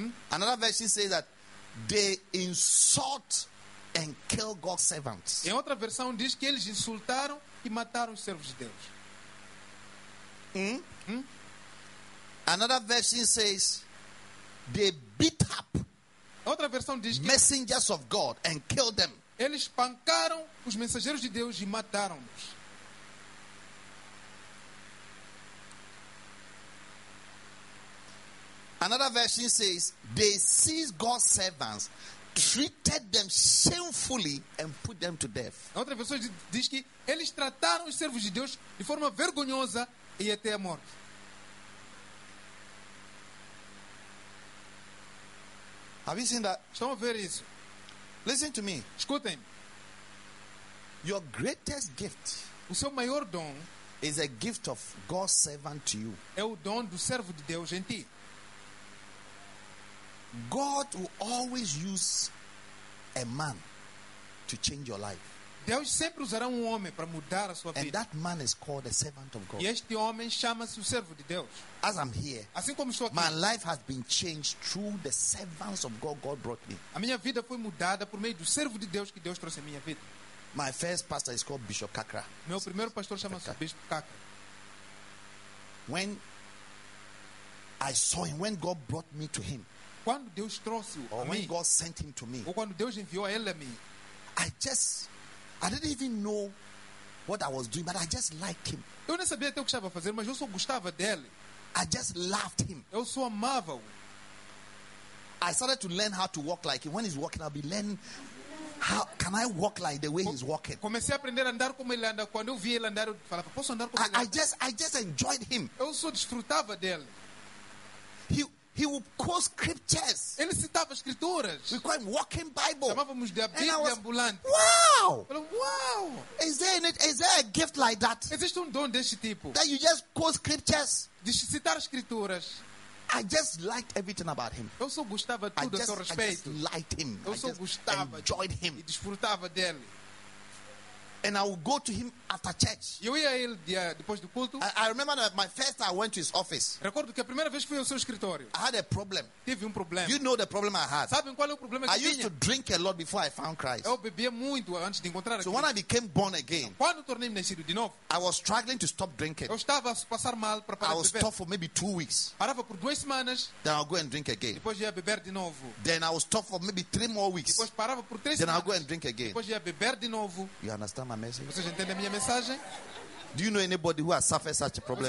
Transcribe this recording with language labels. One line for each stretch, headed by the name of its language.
English: Another version says that they insult and kill God's servants.
Portuguese: Em outra versão diz que eles insultaram e mataram os servos de Deus.
English: Another version says they beat up
Portuguese: outra versão diz que
English: messengers of God and killed them.
Portuguese: Eles espancaram os mensageiros de Deus e mataram-nos.
English: Another version says they seized God's servants, treated them shamefully and put them to death.
Portuguese: Outra versão diz que eles trataram os servos de Deus de forma vergonhosa e até a morte.
English: Have you seen that?
Portuguese: Estão a ver isso?
English: Listen to me.
Portuguese: Escutem.
English: Your greatest gift,
Portuguese: o seu maior dom,
English: is a gift of God's servant to you.
Portuguese: É o dom do servo de Deus em ti.
English: God will always use a man to change your life.
Portuguese: Deus sempre usará homem para mudar a sua vida.
English: And that man is called a servant of God.
Portuguese: E este homem chama-se o servo de Deus.
English: As I'm here,
Portuguese: assim como estou aqui,
English: my life has been changed through the servants of God God brought me.
Portuguese: A minha vida foi mudada por meio do servo de Deus que Deus trouxe à minha vida.
English: My first pastor is called Bishop Kakra.
Portuguese: Meu primeiro pastor chama-se Bishop Kakra.
English: When I saw him, when God brought me to him,
Portuguese: quando Deus trouxe-o
English: or
Portuguese: a
English: when
Portuguese: mim,
English: God sent him to me,
Portuguese: ou quando Deus enviou a ele a mim,
English: I didn't even know what I was doing, but I just liked him.
Portuguese: Eu não sabia até o que estava a fazer, mas eu só gostava dele.
English: I just loved him.
Portuguese: Eu só amava-o.
English: I started to learn how to walk like him. When he's walking, I'll be learning how can I walk like the way he's walking.
Portuguese: Comecei a aprender a andar como ele anda. Quando eu vi ele andar, eu falava, posso andar como ele anda?
English: I just enjoyed him.
Portuguese: Eu só desfrutava dele.
English: He would quote scriptures.
Portuguese: Ele citava escrituras.
English: We call him walking Bible.
Portuguese: Chamávamos de a Bíblia
English: and I was,
Portuguese: ambulante. Wow! Wow!
English: Is there a gift like that?
Portuguese: Existe dom deste tipo?
English: That you just quote scriptures.
Portuguese: De citar escrituras.
English: I just liked everything about him.
Portuguese: Eu só gostava tudo a seu respeito.
English: I just liked him.
Portuguese: Eu só gostava.
English: Enjoyed him.
Portuguese: E desfrutava dele.
English: And I would go to him after church.
Portuguese: Eu ia ele depois do culto.
English: I remember that my first time I went to his office.
Portuguese: Recordo que a primeira vez que fui ao seu escritório.
English: I had a problem.
Portuguese: Tive problema.
English: You know the problem I had.
Portuguese: Sabem qual é o problema que
English: I used to drink a lot before I found Christ.
Portuguese: Eu bebia muito antes de encontrar
English: Cristo. So when I became born again.
Portuguese: Quando tornei-me nascido de novo.
English: I was struggling to stop drinking.
Portuguese: Eu estava a passar mal para parar de beber.
English: I was tough for maybe 2 weeks.
Portuguese: Parava por 2 semanas.
English: Then I'll go and drink again.
Portuguese: Depois ia beber de novo.
English: Then I was tough for maybe 3 more weeks.
Portuguese: Depois parava por 3 semanas.
English: Then I'll go and drink again.
Portuguese: Depois ia beber de novo.
English: You understand?
Portuguese: Vocês entendem a minha mensagem?
English: Do you know anybody who has suffered such a problem